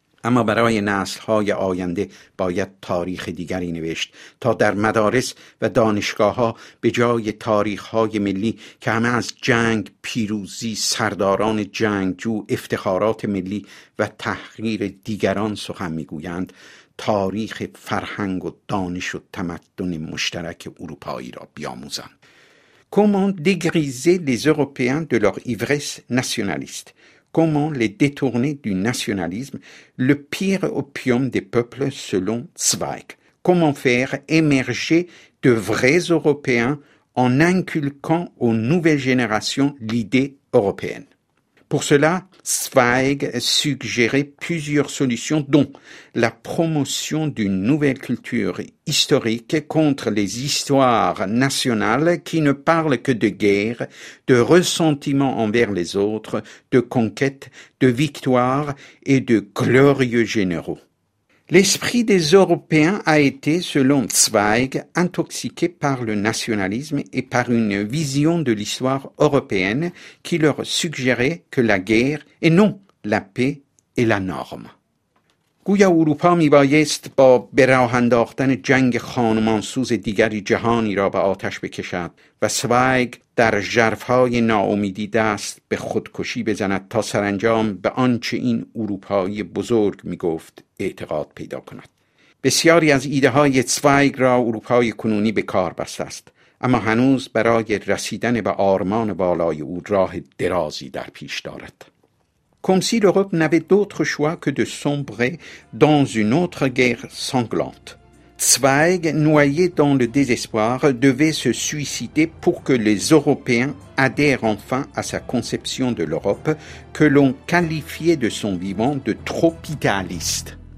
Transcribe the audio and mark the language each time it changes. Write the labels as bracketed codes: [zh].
[fa] اما برای نسل‌های آینده باید تاریخ دیگری نوشت تا در مدارس و دانشگاه‌ها به جای تاریخ‌های ملی که همه از جنگ، پیروزی، سرداران جنگجو، افتخارات ملی و تحقیر دیگران سخن می‌گویند، تاریخ فرهنگ و دانش و تمدن مشترک اروپایی را بیاموزند. [fr] Comment dégriser les Européens de leur ivresse nationaliste? Comment les détourner du nationalisme, le pire opium des peuples selon Zweig? Comment faire émerger de vrais Européens en inculquant aux nouvelles générations l'idée européenne? Pour cela, Zweig suggérait plusieurs solutions, dont la promotion d'une nouvelle culture historique contre les histoires nationales qui ne parlent que de guerre, de ressentiment envers les autres, de conquêtes, de victoires et de glorieux généraux. L'esprit des Européens a été, selon Zweig, intoxiqué par le nationalisme et par une vision de l'histoire européenne qui leur suggérait que la guerre et non la paix est la norme. [fa] گویا اروپا میبایست با براه انداختن جنگ خانمانسوز دیگری جهانی را به آتش بکشد و سوایگ در ژرفهای ناامیدی دست به خودکشی بزند تا سرانجام به آنچه این اروپایی بزرگ میگفت اعتقاد پیدا کند. بسیاری از ایده های سوایگ را اروپای کنونی به کار بست است، اما هنوز برای رسیدن به آرمان والای او راه درازی در پیش دارد. [fr] Comme si l'Europe n'avait d'autre choix que de sombrer dans une autre guerre sanglante. Zweig, noyé dans le désespoir, devait se suicider pour que les Européens adhèrent enfin à sa conception de l'Europe, que l'on qualifiait de son vivant de trop idéaliste.